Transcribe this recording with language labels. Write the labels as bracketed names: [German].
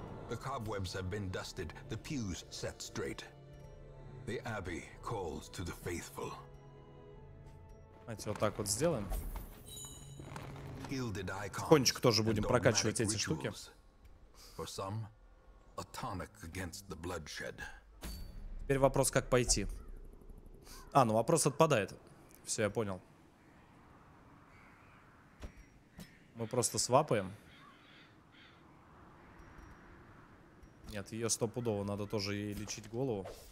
[English] The cobwebs have been dusted, the pews set straight. The abbey calls to the faithful. [Russian] Давайте вот так вот сделаем. Тихонечко тоже будем прокачивать эти штуки. [English] For some, a tonic against the bloodshed. [Russian] Теперь вопрос, как пойти. А, ну вопрос отпадает. Все, я понял. Мы просто свапаем. Нет, ее стопудово надо тоже ей лечить голову.